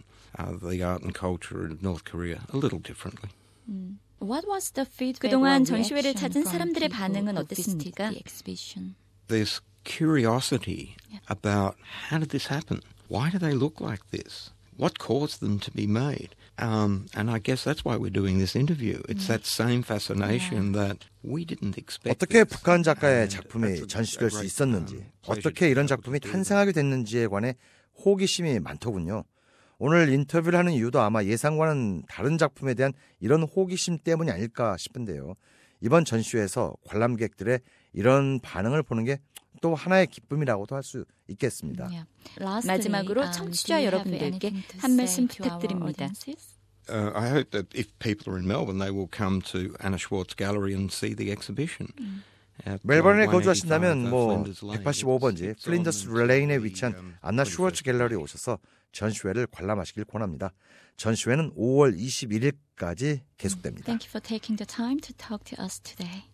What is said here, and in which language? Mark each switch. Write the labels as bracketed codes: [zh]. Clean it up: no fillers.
[en] The art and culture in North Korea a little differently. What was the feedback? [ko] 그동안 전시회를 찾은 사람들의 반응은 어땠습니까? [en] Exhibition. This curiosity about how did this happen? Why do they look like this? What caused them to be made? And I guess that's why we're doing this interview. It's that same fascination that we didn't expect. [ko] 어떻게 북한 작가의 작품이 전시될 수 있었는지, 어떻게 이런 작품이 탄생하게 됐는지에 관해 호기심이 많더군요. 오늘 인터뷰를 하는 이유도 아마 예상과는 다른 작품에 대한 이런 호기심 때문이 아닐까 싶은데요. 이번 전시회에서 관람객들의 이런 반응을 보는 게 또 하나의 기쁨이라고도 할 수 있겠습니다. Lastly, 마지막으로 청취자 여러분들께 한 말씀 부탁드립니다. [en] I hope that if people are in Melbourne, they will come to Anna Schwartz Gallery and see the exhibition. [ko] 멜버른에 거주하신다면 뭐 185번지 플린더스 레인에 위치한 안나 슈워츠 갤러리에 오셔서 전시회를 관람하시길 권합니다. 전시회는 5월 21일까지 계속됩니다. [en] Thank you for taking the time to talk to us today.